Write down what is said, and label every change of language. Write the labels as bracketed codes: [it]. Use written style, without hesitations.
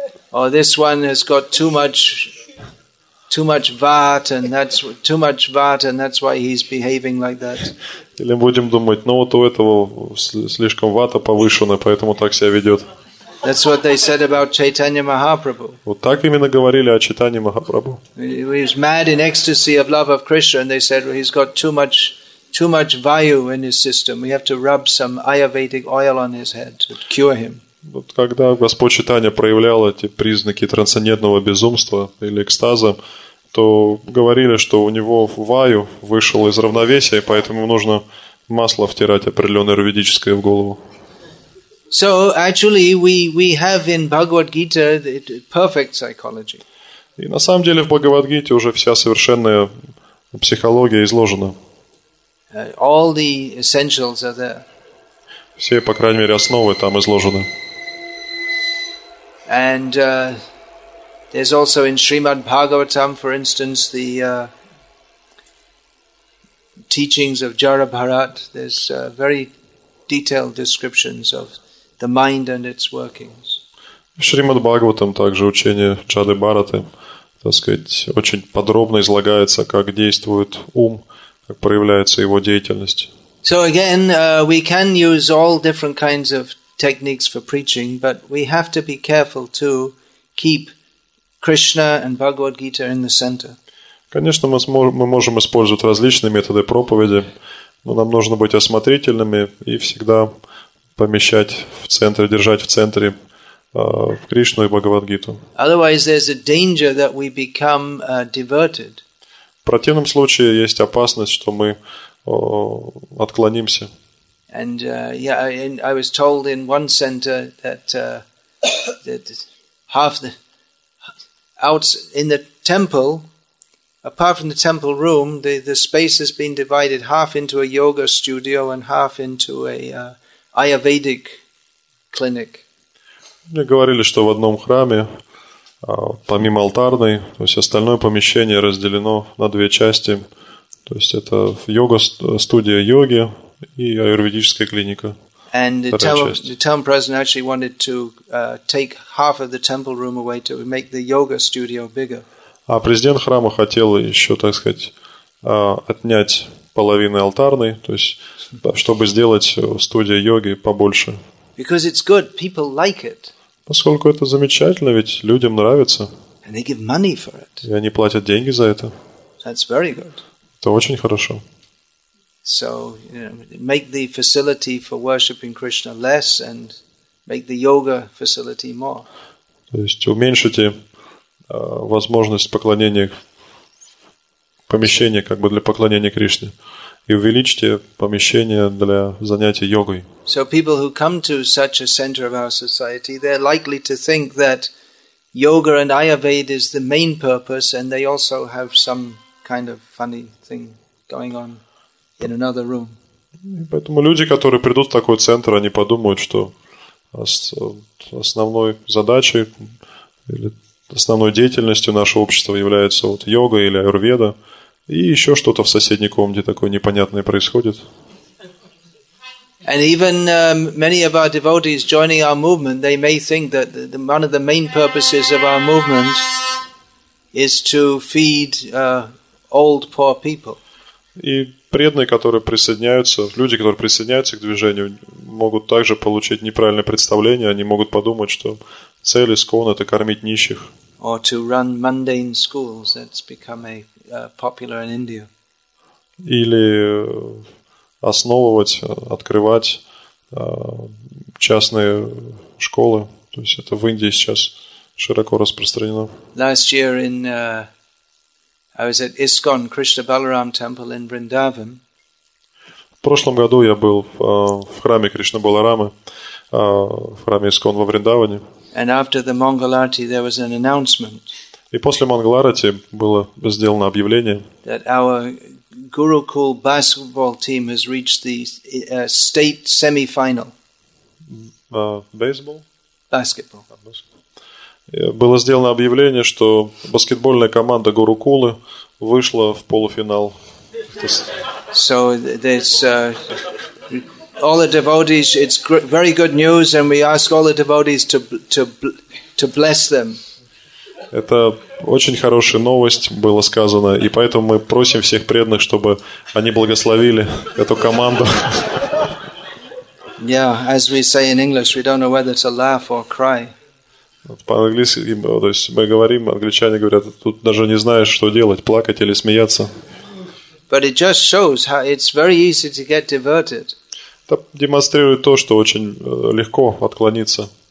[en] Or this one has got too much vata, and that's why he's behaving like that. [ru] Или будем думать, ну вот у этого слишком вата повышена, поэтому так себя ведет. [en] That's what they said about Chaitanya Mahaprabhu. [ru] Вот так именно говорили о Чайтанье Махапрабху. [en] He was mad in ecstasy of love of Krishna, and they said, well, he's got too much vayu in his system. We have to rub some Ayurvedic oil on his head to cure him. [ru] Вот когда Господь Чайтанья проявлял эти признаки трансцендентного безумства или экстаза, то говорили, что у него ваю вышел из равновесия, и поэтому нужно масло втирать определенное аюрведическое в голову. [en] So actually we have in Bhagavad Gita perfect psychology. [ru] И на самом деле в Бхагавадгите уже вся совершенная психология изложена. [en] All the essentials are there. [ru] Все, по крайней мере, основы там изложены. [en] And there's also in Srimad Bhagavatam, for instance, the teachings of Jara Bharat, there's very detailed descriptions of the mind and its workings. [ru] Шримад Бхагаватам, также учение Джады Бхараты, так сказать, очень подробно излагается, как действует ум, как проявляется его деятельность. [en] So again, we can use all different kinds of techniques for preaching, but we have to be careful to keep Krishna and Bhagavad Gita in the center. [ru] Конечно, мы можем использовать различные методы проповеди, но нам нужно быть осмотрительными и всегда помещать в центре, держать в центре в Кришну и Бхагавад-гиту. [en] Otherwise, there's a danger that we become diverted. [ru] В противном случае есть опасность, что мы отклонимся. [en] And I was told in one center that that half the out in the temple, apart from the temple room, the space has been divided half into a yoga studio and half into a Ayurvedic clinic. [ru] Мне говорили, что в одном храме, помимо алтарной, то есть остальное помещение разделено на две части. То есть это йога-студия йоги и аюрведическая клиника. [en] And the town president actually wanted to take half of the temple room away to make the yoga studio bigger. [ru] А президент храма хотел еще, так сказать, отнять половину алтарной, то есть чтобы сделать студию йоги побольше. [en] Because it's good, people like it. [ru] Поскольку это замечательно, ведь людям нравится. [en] And they give money for it. [ru] И они платят деньги за это. [en] That's very good. [ru] Это очень хорошо. [en] So, you know, make the facility for worshiping Krishna less and make the yoga facility more. [ru] То есть уменьшите возможность поклонения помещения как бы для поклонения Кришне. И увеличьте помещение для занятий йогой. [en] So people who come to such a center of our society, they're likely to think that yoga and Ayurveda is the main purpose, and they also have some kind of funny thing going on in another room. [ru] Поэтому люди, которые придут в такой центр, они подумают, что основной задачей или основной деятельностью нашего общества является вот йога или Аюрведа. И еще что-то в соседней комнате такое непонятное происходит. [en] And even many of our devotees joining our movement, they may think that one of the main purposes of our movement is to feed old poor people. [ru] И преданные, которые присоединяются, люди, которые присоединяются к движению, могут также получить неправильное представление. Они могут подумать, что цель ИСККОН – это кормить нищих. [en] Or to run mundane schools. That's become a popular in India. [ru] Или основывать, открывать частные школы. То есть это в Индии сейчас широко распространено. [en] Last year in I was at ISKCON Krishna Balaram Temple in Vrindavan. [ru] В прошлом году я был в храме Кришна Баларамы, в храме ИСККОН во Вриндаване. [en] And after the Mangal Arati there was an announcement. [ru] И после Mangal Arati было сделано объявление. [en] That our Gurukul basketball team has reached the state semi-final. Baseball? Basketball. [ru] Было сделано объявление, что баскетбольная команда Гурукулы вышла в полуфинал. [en] So there's all the devotees, it's very good news, and we ask all the devotees to bless them. [ru] Это очень хорошая новость было сказано, и поэтому мы просим всех преданных, чтобы они благословили эту команду. [en] Yeah, as we say in English, we don't know whether to laugh or cry. [ru] По-английски, то есть мы говорим, англичане говорят, тут даже не знаешь, что делать, плакать или смеяться. [en] But it just shows how it's very easy to get diverted. [ru] Это демонстрирует то, что очень легко отклониться.